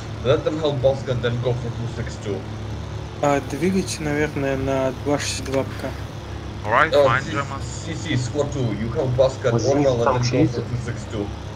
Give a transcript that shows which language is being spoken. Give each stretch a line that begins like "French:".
English: Let them help Boska and then go for 262.
Russian: Двигайте, наверное, на 262 пока.
English: Alright, fine, Germans. CC, squad 2, you have Баска and Ornal and then go for 262.